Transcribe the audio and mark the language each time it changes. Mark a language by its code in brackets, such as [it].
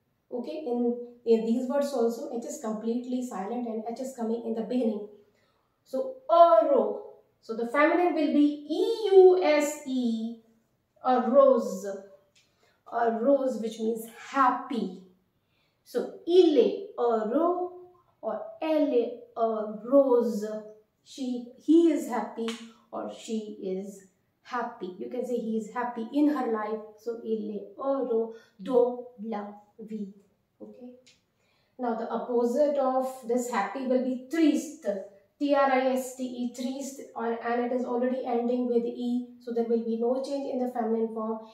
[en] Okay, in these words also, H is completely silent and H is coming in the beginning. So, heureux. So, the feminine will be EUSE, a rose, which means happy. [fr] So, il est heureux or elle est heureuse. [en] He is happy or she is happy. You can say he is happy in her life. So, [fr] il est heureux dans la vie. [en] Okay. Now, the opposite of this happy will be triste. T-R-I-S-T-E, triste, and it is already ending with E, so there will be no change in the feminine form.